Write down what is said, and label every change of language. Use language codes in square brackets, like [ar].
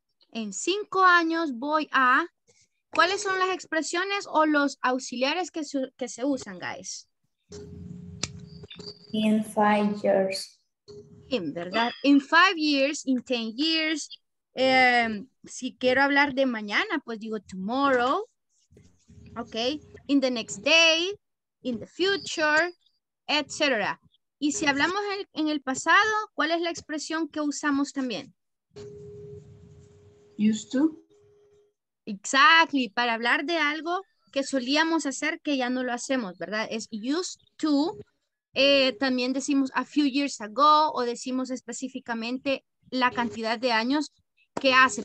[es] En 5 años voy a... ¿Cuáles son las expresiones o los auxiliares que se usan, guys? [en] In 5 years. In, [es] ¿verdad? [en] In 5 years, in 10 years. [es] Si quiero hablar de mañana, pues digo tomorrow. [en] Ok. In the next day, in the future, etc. [es] Y si hablamos en el pasado, ¿cuál es la expresión que usamos también? [en] Used to. [es] Exactly, para hablar de algo que solíamos hacer que ya no lo hacemos, ¿verdad? Es used to, también decimos [en] a few years ago [es] o decimos específicamente la cantidad de años que hace.